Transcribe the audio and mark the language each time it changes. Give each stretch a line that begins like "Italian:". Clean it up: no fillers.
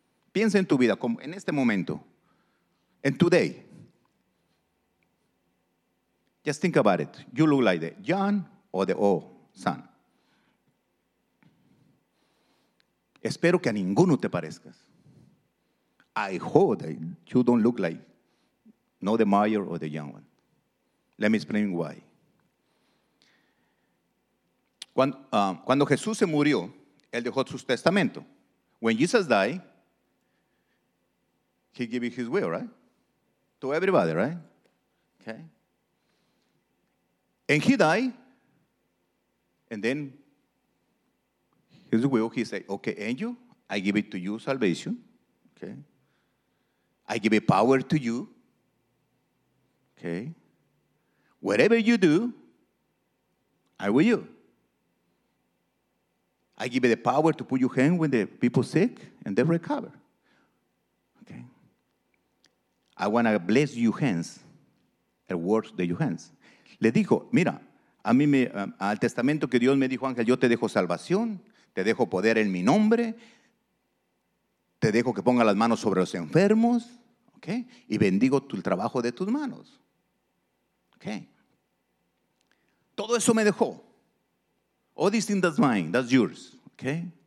Spanish: Piensa en tu vida, como en este momento. En
English: today. Just think about it. You look like the young or the old son.
Spanish: Espero que a ninguno te parezcas.
English: I hope that you don't look like no the mayor or the young one. Let me explain why.
Spanish: Cuando Jesús se murió, él dejó su testamento.
English: When Jesus died, he gave his will, right? To everybody, right? Okay. And he died, and then his will, he said, okay, angel, I give it to you, salvation. Okay. I give it power to you. Okay. Whatever you do, I will you. I give you the power to put your hand when the people sick and they recover. Okay. I want to bless your hands, the words of your hands.
Spanish: Le dijo, mira, a mí me, al testamento que Dios me dijo, ángel, yo te dejo salvación, te dejo poder en mi nombre, te dejo que ponga las manos sobre los enfermos, okay, y bendigo el trabajo de tus manos.
English: Okay.
Spanish: Todo eso me dejó.
English: All these things that's mine, that's yours. Okay.